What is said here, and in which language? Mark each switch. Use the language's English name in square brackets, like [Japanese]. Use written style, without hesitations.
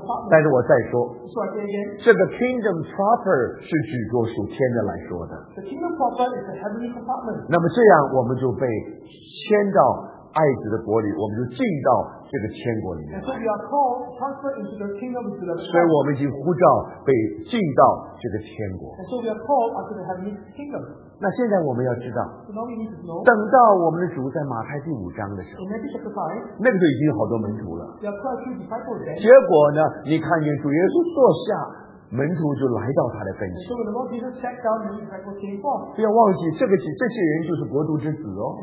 [Chinese] 但是我再说，这个 [English] kingdom proper [Chinese] 是指着属天的来说的。那么这样我们就被迁到爱子的国里，我们就进到这个天国里面。 [English] So we are called transferred into the kingdom of heaven. [Chinese] 所以我们已经呼召被进到这个天国。 [English] And so we are called unto the heavenly kingdom. [Chinese] 那现在我们要知道， [English] so now we need to know, [Chinese] 等到我们的主在马太第五章的时候， [English] in Matthew chapter 5, [Chinese] 那个就已经有好多门徒了。 [English] There are quite a few disciples there. [Chinese] 结果呢，你看见主耶稣坐下，门徒就来到他的跟前。 [English] And so the Lord Jesus sat down, the disciples came forth. [Chinese] 不要忘记，这些人就是国度之子哦。